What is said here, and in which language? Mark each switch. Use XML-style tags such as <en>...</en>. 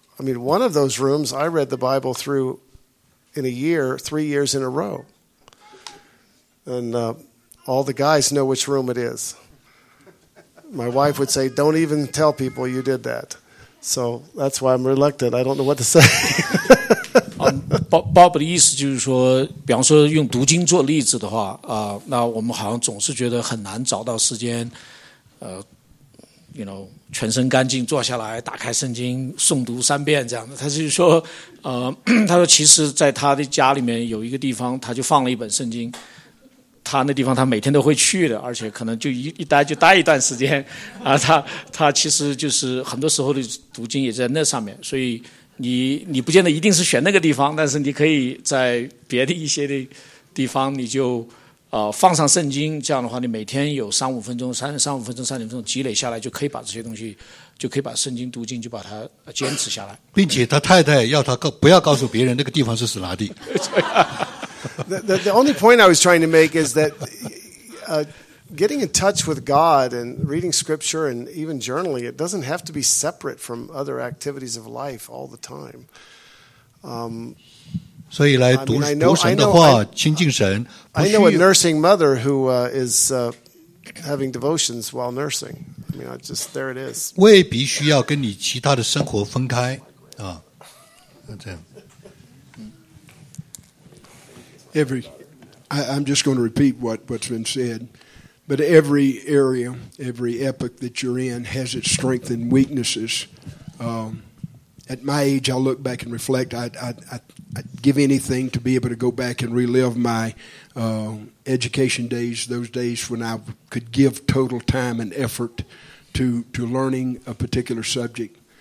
<en>I mean, one of those rooms, I read the Bible through in a year, 3 years in a row. And all the guys know which room it is. My wife would say, don't even tell people you did that. So that's why I'm reluctant. I don't know what to say.</en> <zh>Bob 的意思就是说比方说用读经做例子的话那我们好像总是觉得很难找到时间全身干净坐下来打开圣经诵读三遍这样的。他就是说他说其实在他的家里面有一个地方他就放了一本圣经他那地方他每天都会去的而且可能就一待就待一段时间他其实就是很多时候的读经也在那上面所以你不见得一定是选那个地方但是你可以在别的一些的地方你就放上圣经这样的话你每天有三五分钟积累下来就可以把这些东西就可以把圣经读经就把它坚持下来并且他太太要他不要告诉别人那个地方是哪里</zh> <en>The only point I was trying to make is that getting in touch with God and reading scripture and even journaling, it doesn't have to be separate from other activities of life all the time. So, I mean,</en> <zh>读神的话亲近神</zh> <en>I know a nursing mother who is having devotions while nursing. I mean, I just, there it is.</en> <zh>未必需要跟你其他的生活分开。这样。</zh> <en>I'm just going to repeat what's been said. But every area, every epoch that you're in has its strengths and weaknesses. At my age, I look back and reflect. I'd give anything to be able to go back and relive my education days, those days when I could give total time and effort to learning a particular subject.</en>